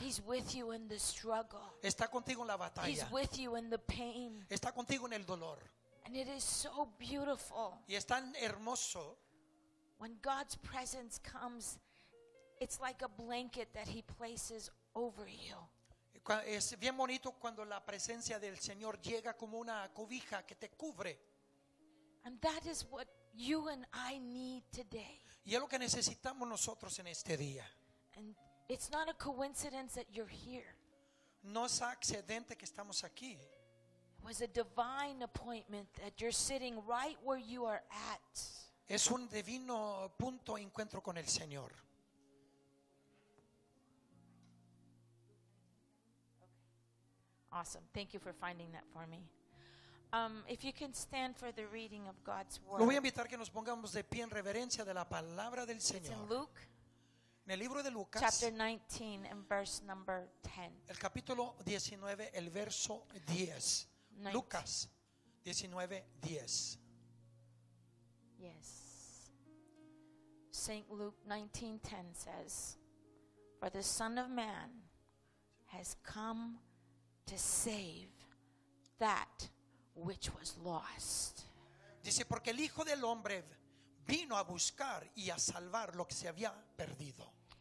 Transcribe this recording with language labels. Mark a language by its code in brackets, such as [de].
[en] He's with you in the struggle. [es] Está contigo en la batalla. [en] He's with you in the pain. [es] Está contigo en el dolor. [en] And it is so beautiful. [es] Y es tan hermoso. [en] When God's presence comes, it's like a blanket that He places over you. [es] Es bien bonito cuando la presencia del Señor llega como una cobija que te cubre. [en] And that is what you and I need today. [es] Y es lo que necesitamos nosotros en este día. [en] And it's not a coincidence that you're here. [es] No es accidente que estamos aquí. [en] It was a divine appointment that you're sitting right where you are at. [es] Es un divino punto de encuentro con el Señor. [en] Okay. Awesome. Thank you for finding that for me. If you can stand for the reading of God's word. [es] Lo voy a invitar que nos pongamos de pie en reverencia de la palabra del Señor. [en] It's in Luke. [es] En el libro de Lucas. [en] Chapter 19 and verse number 10. [es] El capítulo 19, el verso 10. 19. Lucas 19, 10. [en] Yes. St. Luke 19:10 says, "For the Son of Man has come to save that which was lost." [es] Dice, porque el Hijo del Hombre vino a buscar y a salvar lo que se había perdido.